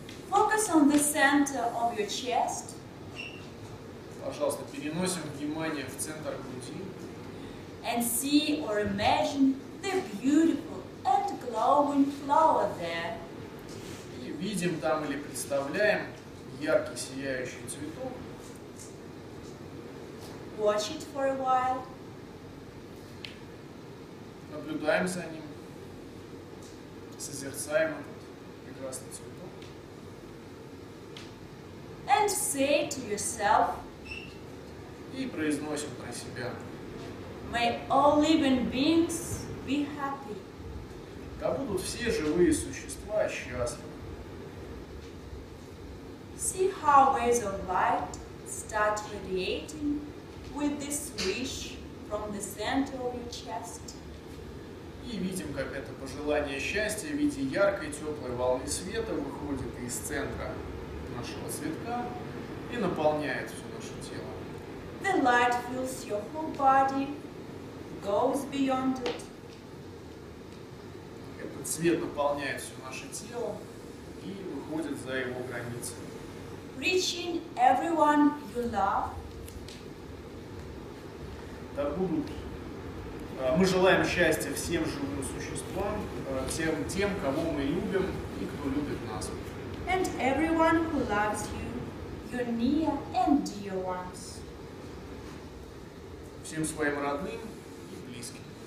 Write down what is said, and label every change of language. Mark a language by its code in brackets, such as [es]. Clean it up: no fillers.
[en] Focus on the center of your chest. [ru] Пожалуйста, переносим внимание в центр груди. [en] And see or imagine the beautiful and glowing flower there. [ru] И видим там или представляем яркий сияющий цветок. [en] Watch it for a while. [ru] Наблюдаем за ним. Созерцаем этот прекрасный цветок. [en] And say to yourself. [ru] И произносим про себя. [en] May all living beings be happy. [ru] Да будут все живые существа счастливы. [en] See how rays of light start radiating with this wish from the center of your chest. [ru] И видим, как это пожелание счастья в виде яркой теплой волны света выходит из центра нашего цветка и наполняет все наше тело. [en] The light fills your whole body, goes beyond it. [ru] Этот свет наполняет все наше тело и выходит за его границы. [en] Reaching everyone you love. [ru] Да будут. Мы желаем счастья всем живым существам, всем тем, кого мы любим и кто любит нас. [en] And everyone who loves you, your near and dear ones. [ru] Всем своим родным и близким.